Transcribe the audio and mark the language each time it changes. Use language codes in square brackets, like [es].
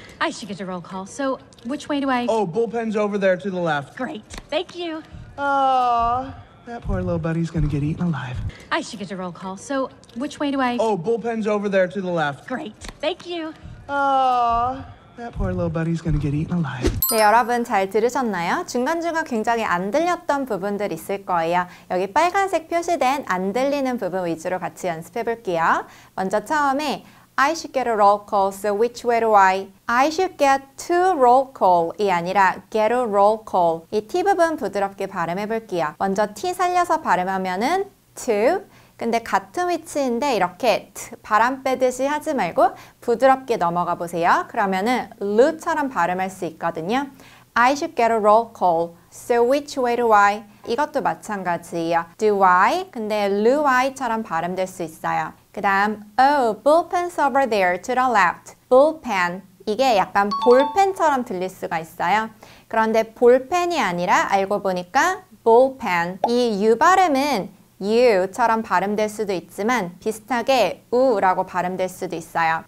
[en] I should get a roll call. So, which way do I... Oh, bullpen's over there to the left. Great. Thank you. Aww. That poor little buddy's gonna get eaten alive. I should get a roll call. So, which way do I... Oh, bullpen's over there to the left. Great. Thank you. Aww. That poor little buddy's gonna get eaten alive. [ko] 네, 여러분 잘 들으셨나요? 중간중간 굉장히 안 들렸던 부분들 있을 거예요. 여기 빨간색 표시된 안 들리는 부분 위주로 같이 연습해 볼게요. 먼저 처음에 [en] I should get a roll call, so which way do I? I should get to roll call, [ko] 이 아니라 [en] get a roll call. [ko] 이 T 부분 부드럽게 발음해 볼게요. 먼저 T 살려서 발음하면은 to, 근데 같은 위치인데 이렇게 t 바람 빼듯이 하지 말고 부드럽게 넘어가 보세요. 그러면은 루처럼 발음할 수 있거든요. [en] I should get a roll call, so which way do I? [ko] 이것도 마찬가지예요. [en] Do I? [ko] 근데 루 I처럼 발음될 수 있어요. 그 다음, [en] oh, bullpen's over there to the left. [ko] Bullpen, 이게 약간 볼펜처럼 들릴 수가 있어요. 그런데 볼펜이 아니라 알고 보니까 bullpen. 이 U 발음은 U처럼 발음될 수도 있지만 비슷하게 U라고 발음될 수도 있어요.